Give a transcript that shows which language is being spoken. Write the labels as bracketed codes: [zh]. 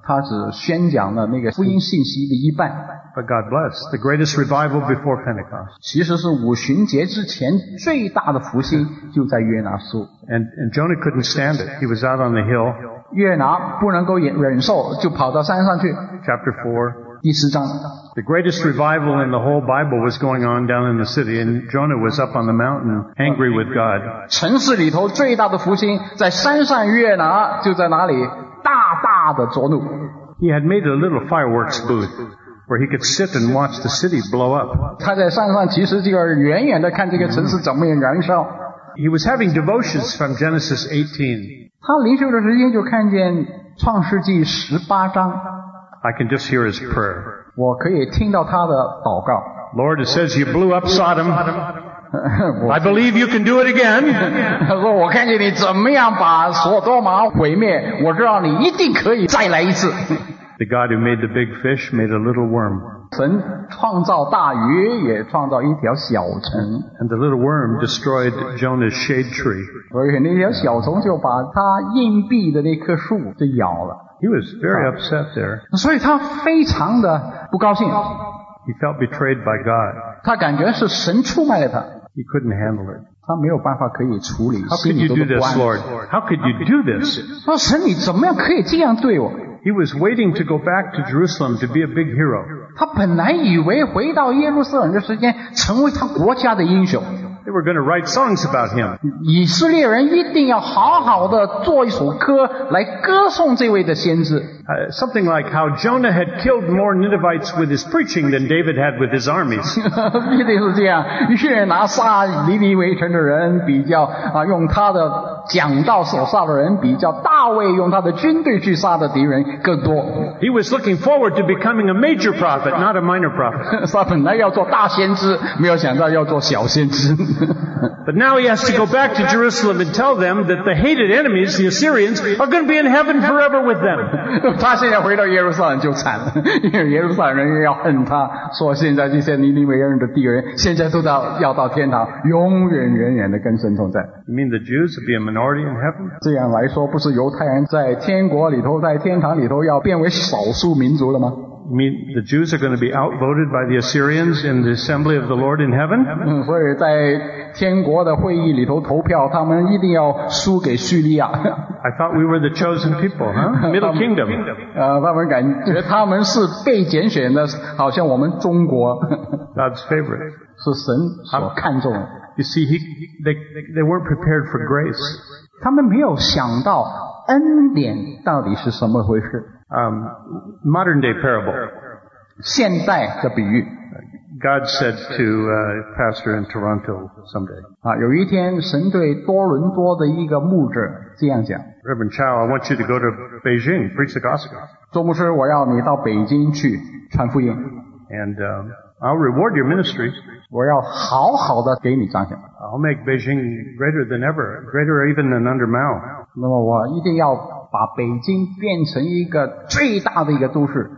[zh] 他只宣讲了那个福音信息的一半。 [en] But God bless, the greatest revival before Pentecost. [zh] 其实是五旬节之前最大的复兴就在约拿书。 [en] And Jonah couldn't stand it. He was out on the hill. [zh] 约拿不能够忍受，就跑到山上去。 [en] Chapter 4, [zh] 第四章。 [en] The greatest revival in the whole Bible was going on down in the city, and Jonah was up on the mountain, angry with God. [zh] 城市里头最大的福星在山上，约拿就在哪里大大的作怒。 [en] He had made a little fireworks booth where he could sit and watch the city blow up. [zh] 他在山上其实就是远远的看这个城市怎么燃烧。 [en] He was having devotions from Genesis 18. [zh] 他灵修的时间就看见创世纪十八章。 [en] I can just hear his prayer. [zh] 我可以听到他的祷告。 [en] Lord, it says you blew up Sodom. I believe you can do it again. [zh] 他说我看见你怎么样把索多玛毁灭，我知道你一定可以再来一次。 [en] The God who made the big fish made a little worm. [zh] 神创造大鱼，也创造一条小虫。 [en] And the little worm destroyed Jonah's shade tree. [zh] 而且那条小虫就把他硬币的那棵树就咬了。 [en] He was very upset there. [zh] 所以他非常的不高兴。 [en] He felt betrayed by God. [zh] 他感觉是神出卖了他。 [en] He couldn't handle it. [zh] 他没有办法可以处理。 [en] How could you do this, Lord? How could you do this? [zh] 说神，你怎么样可以这样对我？ [en] He was waiting to go back to Jerusalem to be a big hero. [zh] 他本来以为回到耶路撒冷的时间成为他国家的英雄。 [en] They were going to write songs about him. [zh] 以色列人一定要好好的做一首歌来歌颂这位的先知。 [en] Something like how Jonah had killed more Ninevites with his preaching than David had with his armies. [zh] 一定是这样，约拿杀尼尼微城的人比较用他的讲道所杀的人比较大卫用他的军队去杀的敌人更多。 [en] He was looking forward to becoming a major prophet, not a minor prophet. [zh] 他本来要做大先知，没有想到要做小先知。 [en] But now he has to go back to Jerusalem and tell them that the hated enemies, the Assyrians, are going to be in heaven forever with them. [zh] 他现在回到耶路撒冷就惨了，因为耶路撒冷人要恨他，说现在这些尼尼微人的敌人现在都要到天堂，永远永远的跟神同在。 [en] You mean the Jews will be a minority in heaven? [zh] 这样来说，不是犹太人在天国里头，在天堂里头要变为少数民族了吗？ [en] You mean the Jews are going to be outvoted by the Assyrians in the assembly of the Lord in heaven? [zh] 所以在天国的会议里头投票，他们一定要输给叙利亚。 [en] I thought we were the chosen people, huh? Middle Kingdom. [zh] 他们感觉他们是被拣选的，好像我们中国。 [en] God's favorite. [zh] 是神所看重的。 [en] You see, they weren't prepared for grace. [zh] 他们没有想到恩典到底是什么回事。 [en] Modern day parable. [zh] 现代的比喻。 [en] God said to a pastor in Toronto someday. [zh] 啊，有一天神对多伦多的一个牧者这样讲。 [en] Reverend Chow, I want you to go to Beijing, preach the gospel. [zh] 周牧师，我要你到北京去传福音。 [en] And I'll reward your ministry. [zh] 我要好好的给你彰显。 [en] I'll make Beijing greater than ever, greater even than under Mao. [zh] 那么我一定要把北京变成一个最大的一个都市。